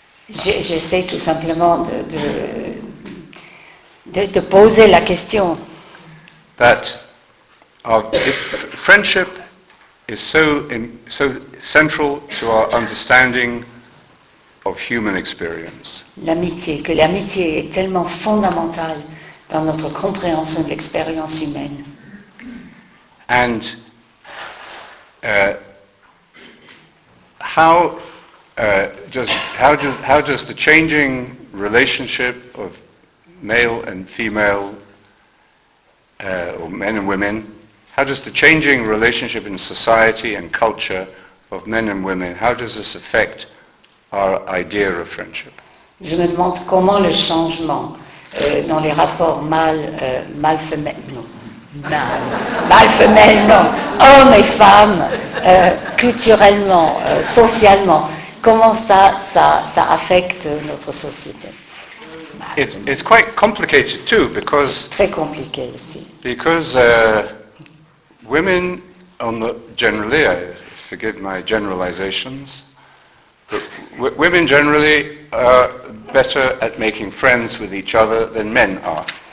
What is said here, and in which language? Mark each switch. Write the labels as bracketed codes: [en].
[fr] J'essaie tout simplement de poser la question. [en] That if friendship is so central to our understanding of human experience. [fr] L'amitié est tellement fondamentale dans notre compréhension de l'expérience humaine. [en] And how does the changing relationship of male and female or men and women, how does the changing relationship in society and culture of men and women, how does this affect our idea of friendship? [fr] Je me demande comment le changement dans les rapports mâle-femelle, hommes et femmes, culturellement, socialement, comment ça affecte notre société. [en] It's quite complicated too, because [fr] c'est très compliqué aussi. [en] Because women, forgive my generalizations, but women generally are better at making friends with each other than men are.